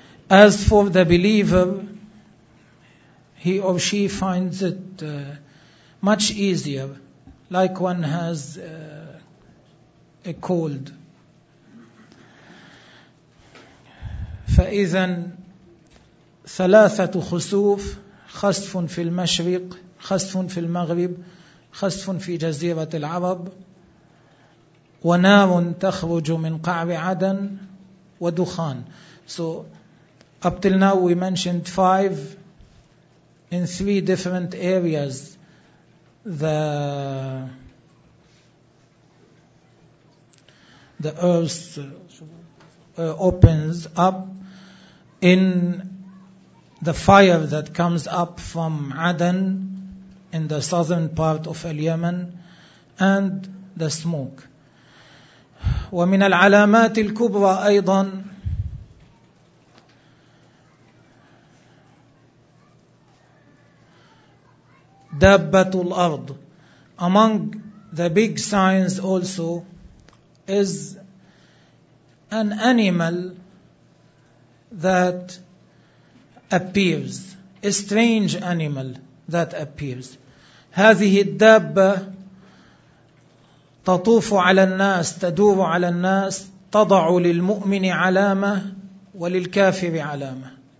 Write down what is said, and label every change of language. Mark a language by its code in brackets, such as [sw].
[en] As for the believer, he or she finds it much easier, like one has a cold. [ar] فإذا ثلاثة خسوف خسف في المشرق خسف في المغرب خسف في جزيرة العرب ونار تخرج من قعر عدن ودخان. [en] So up till now we mentioned five in three different areas. The earth opens up in the fire that comes up from Aden, in the southern part of Yemen, and the smoke. [ar] ومن العلامات الكبرى أيضا دابة الأرض. [en] Among the big signs also is an animal that appears, a strange animal that appears. [ar] هذه الدابة تطوف على الناس, تدور على الناس, تضع للمؤمن علامة وللكافر علامة.